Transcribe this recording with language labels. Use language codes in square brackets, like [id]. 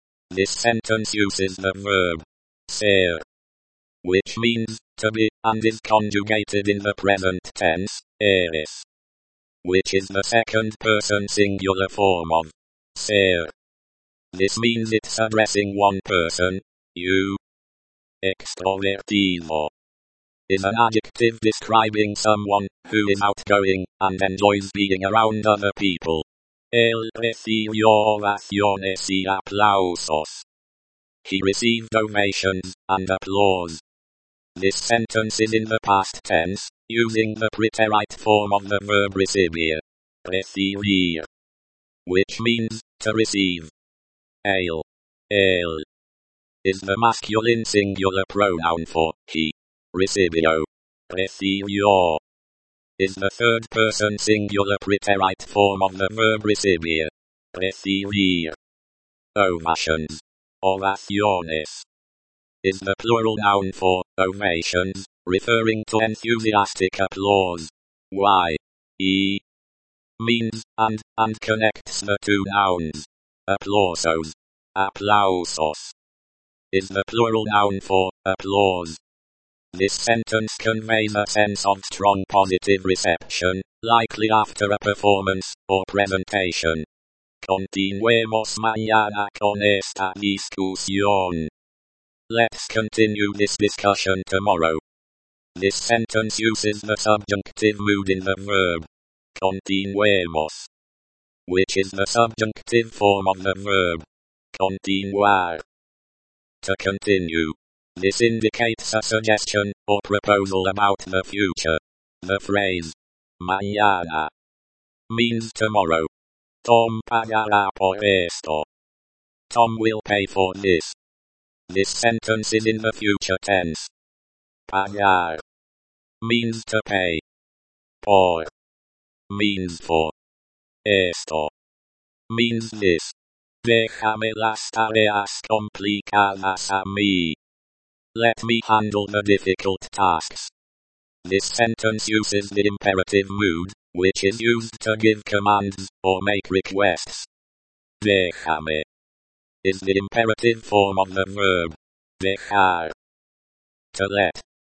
[en] This sentence uses the verb ser, which means to be, and is conjugated in the present tense, eres, which is the second person singular form of ser. This means it's addressing one person, you. Extrovertido is an adjective describing someone who is outgoing and enjoys being around other people. [es] El recibió ovaciones y aplausos. [en] He received ovations and applause. This sentence is in the past tense, using the preterite form of the verb recibir, recibir, which means to receive. El, el, is the masculine singular pronoun for he. Recibió, recibió, is the third person singular preterite form of the verb recibir, recibir. Ovations, ovaciones, is the plural noun for ovations, referring to enthusiastic applause. Y, E, means, and connects the two nouns. Aplausos, aplausos, is the plural noun for applause. This sentence conveys a sense of strong positive reception, likely after a performance or presentation. [es] Continuemos mañana con esta discusión. [en] Let's continue this discussion tomorrow. This sentence uses the subjunctive mood in the verb continuemos, which is the subjunctive form of the verb continuar, to continue. This indicates a suggestion or proposal about the future. The phrase mañana means tomorrow. [es] Tom pagará por esto. [en] Tom will pay for this. This sentence is in the future tense. Pagar means to pay. Por means for. Esto means this. [es] Déjame las tareas complicadas a mí. [en] Let me handle the difficult tasks. This sentence uses the imperative mood, which is used to give commands or make requests. Déjame is the imperative form of the verb dejar, to let.